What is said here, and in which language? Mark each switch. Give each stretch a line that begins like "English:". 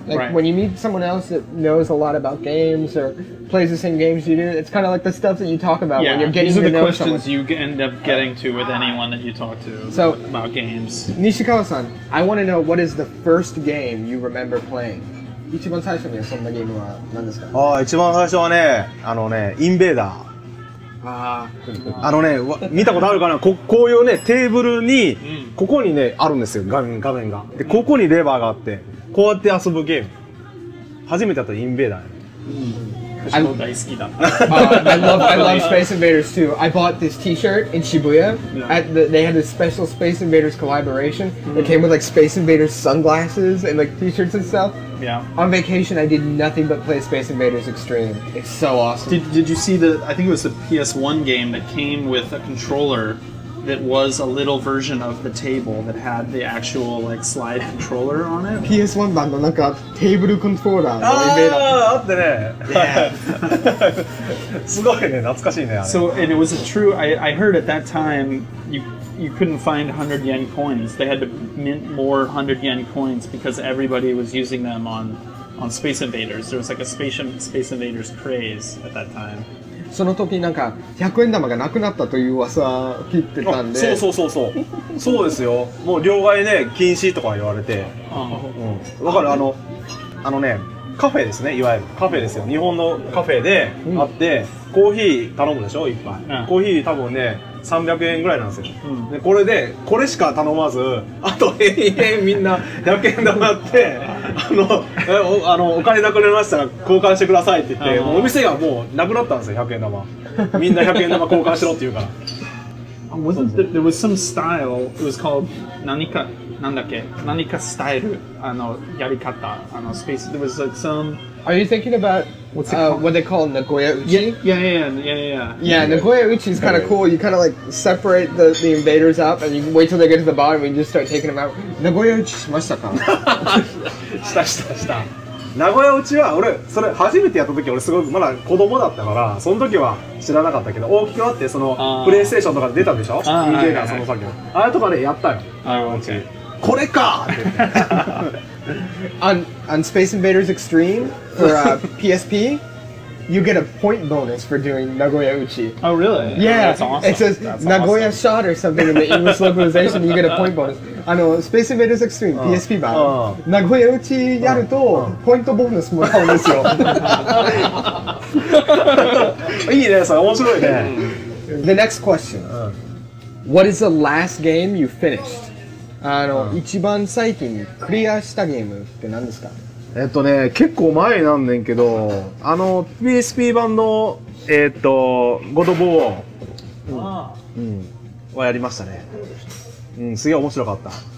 English: Like, right. When you meet someone else that knows a lot about games or plays the same games you do, it's kind of like the stuff that you talk about when you're getting to know someone. These are the questions you end up getting to with anyone that you talk to about games. Nishikawa-san, I want to know, what is the first game you remember playing?
Japanese: 一番最初にそんなゲームは何ですか？ああ、一番最初はね、あのね、インベーダー。ああ、あのね、見たことあるかな？こういうね、テーブルに、ここにね、あるんですよ、画面が。で、ここにレバーがあって、こうやって遊ぶゲーム。初めてだったインベーダー。私も大好きだ。
English: I love Space Invaders too. I bought this T-shirt in Shibuya. They had a special Space Invaders collaboration. It came with like Space Invaders sunglasses and like T-shirts and stuff. Yeah. On vacation, I did nothing but play Space Invaders Extreme. It's so awesome. Did you see the? I think it was the PS1 game that came with a controller that was a little version of the table that had the actual like slide controller on it.
Japanese: PS1 版のなんかテーブルコントローラーのイベント。ああ、あってね。
English: Yeah.
Japanese: すごいね、懐かしいね。
English: So and it was a true. I heard at that time you couldn't find 100 yen coins. They had to mint more 100 yen coins because everybody was using them on Space Invaders. There was like a Space Invaders craze at that time.
Japanese: その時なんか100円玉がなくなったという噂を聞いてたんで、そうそうそうそうそうですよ、もう両替ね禁止とか言われて、分かる、あのねカフェですね、いわゆるカフェですよ、日本のカフェであって、コーヒー頼むでしょ、一杯、コーヒー多分ね300円ぐらいなんですよ、でこれでこれしか頼まず、あと延々みんな100円玉ってあのお金なくなりましたら交換してくださいって言って、お店がもうなくなったんですよ、100円玉。みんな100円玉交換しろって言うから。
English: There was some style, it was called
Japanese: 何か、なんだっけ、何かスタイル、あのやり方、あのスペース、
English: there was like some... Are you thinking about what they call Nagoya Uchi? Yeah. Nagoya Uchi is kind of cool. You kind of like separate the invaders up and you wait till they get to the bottom and you just start taking them out.
Japanese: Nagoya Uchi しましたか? した。 Nagoya Uchi は俺、それ初めてやった時俺すごくまだ子供だったから、その時は知らなかったけど、大きくなってそのプレイステーションとかで出たでしょ? インベーダーその先は。あれとかでやったよ。これか
English: On Space Invaders Extreme for PSP, you get a point bonus for doing Nagoya Uchi. Oh, really? Yeah. That's awesome. It says Nagoya awesome. Shot or something in the English localization, you get a point bonus.
Japanese: Space Invaders Extreme, PSP 版 Nagoya Uchi やるとポイントボーナスもらうんですよ。いいね、それ面白いね。
English: The next question. What is the last game you finished?
Japanese: 一番最近クリアしたゲームって何ですか？ね、結構前なんねんけど、PSP 版の、ゴッドボーをやりましたね。すげえ面白かった。